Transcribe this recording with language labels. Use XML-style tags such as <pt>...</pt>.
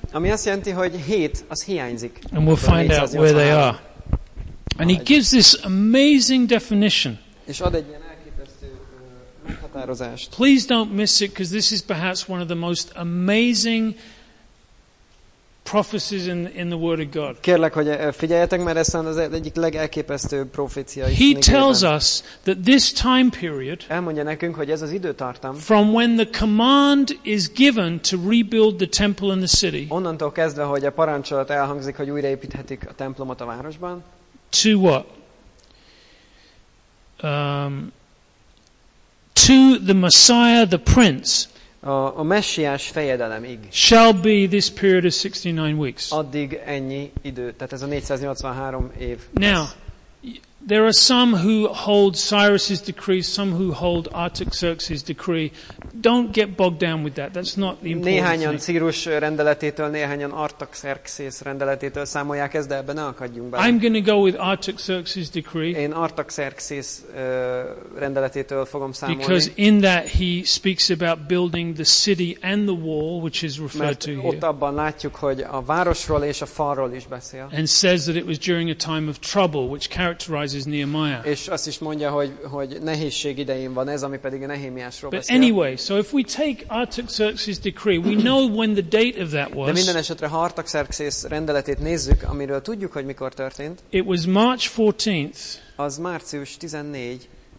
<hu>Ami azt jelenti, hogy 7 az hiányzik.</hu> <en>And we'll find out where they are. And he gives this amazing definition.</en> <hu>És ad egy ilyen elképesztő meghatározást.</hu> <en>Please don't miss it, because this is perhaps one of the most amazing prophecies in the Word of God.</en> <hu>Kérlek, hogy figyeljetek, mert ez az egyik legelképesztőbb profécia.</hu> <en>He tells us that this time period,</en> <hu>elmondja nekünk, hogy ez az időtartam,</hu> <en>from when the command is given to rebuild the temple in the city,</en> <hu>onnantól kezdve, hogy a parancsolat elhangzik, hogy újraépíthetik a templomot a városban,</hu> <en>to what? To the Messiah, the Prince,</en> <hu>a messiás fejedelemig.</hu> <en>Shall be this period of 69 weeks.</en> <hu>Addig ennyi idő, tehát ez a 483 év.</hu> <en>Now, there are some who hold Cyrus's decree, some who hold Artaxerxes' decree. Don't get bogged down with that. That's not the important thing.</en> <hu>Néhányan Círus rendeletétől, néhányan Artaxerxes rendeletétől számolják ezt, de ebbe ne akadjunk bele.</hu> <en>I'm going to go with Artaxerxes' decree.</en> <hu>Én Artaxerxes rendeletétől fogom számolni.</hu> <en>Because in that he speaks about building the city and the wall, which is referred to here.</en> <hu>Ott abban látjuk, hogy a városról és a falról is beszél.</hu> <en>And says that it was during a time of trouble, which characterized.</en> <hu>És azt is mondja, hogy nehézség idején van ez, ami pedig a Nehémiásról</hu> <en>but</en> <hu>beszél.</hu> <en>Anyway, so if we take Artaxerxes' decree, we know when the date of that was.</en> <hu>De minden esetre, ha Artaxerxes rendeletét nézzük, amiről tudjuk, hogy mikor történt.</hu> <en>It was March 14th.</en> <hu>Az március 14.</hu>